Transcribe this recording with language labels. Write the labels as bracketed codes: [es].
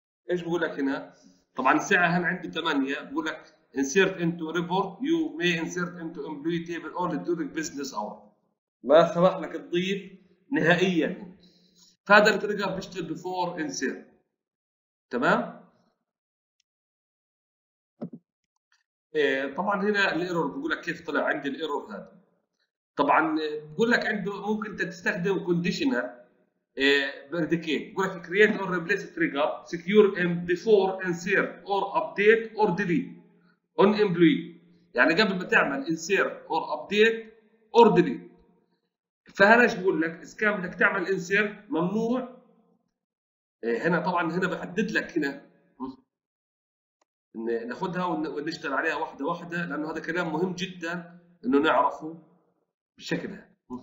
[ar] ايش بقول لك هنا؟ طبعا الساعه هنا عندي 8، بقول لك [en] insert into report you may insert into employee table only during business hour، [ar] ما سمح لك تضيف نهائيا. فهذا التريجر بيشتغل before insert. تمام؟ طبعا هنا الايرور بقول لك كيف طلع عندي الايرور هذا. طبعا بقول لك عنده ممكن انت تستخدم conditional بردكين، بقول لك [en] create or replace trigger secure m before insert or update or delete on employee، [ar] يعني قبل ما تعمل [en] insert or update or delete. [ar] فهنا ايش بقول لك؟ اذا كان بدك تعمل insert ممنوع هنا، طبعا هنا بحدد لك هنا ناخذها ونشتغل عليها واحده واحده، لانه هذا كلام مهم جدا انه نعرفه بالشكل هذا.